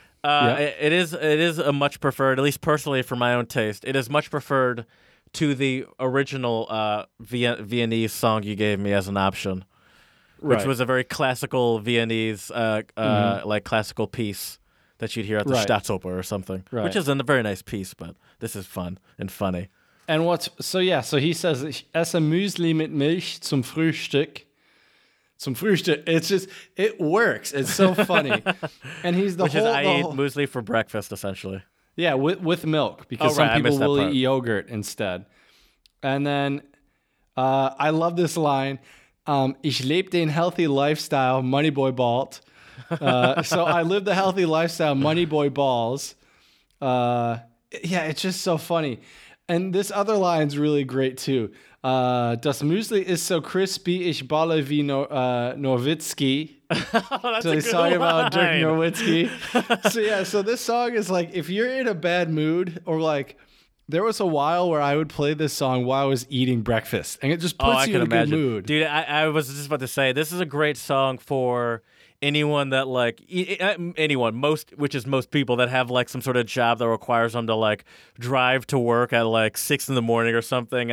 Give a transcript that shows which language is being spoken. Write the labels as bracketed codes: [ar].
[en] It is a much preferred, at least personally for my own taste, it is much preferred to the original Viennese song you gave me as an option. Right. Which was a very classical Viennese like classical piece that you'd hear at the Staatsoper or something. Right. Which is a very nice piece, but this is fun and funny. And so he says, [de] ich esse Müsli mit Milch zum Frühstück. Zum Frühstück. [en] It's just, it works. It's so funny. And he's the Which whole... Which is, I eat muesli for breakfast, essentially. Yeah, with milk, because some people will eat yogurt instead. And then, I love this line, [de] ich lebe den [en] healthy lifestyle, money boy balt. So I live the healthy lifestyle, money boy balls. It's just so funny. And this other line's really great too. [de] Das Müsli ist so crispy, ich balle wie Nowitzki. [en] That's so a good about Dirk Nowitzki. So this song is like, if you're in a bad mood, or like, there was a while where I would play this song while I was eating breakfast, and it just puts you in a good mood. Dude, I was just about to say, this is a great song for anyone that like most people that have like some sort of job that requires them to like drive to work at like 6 a.m. or something.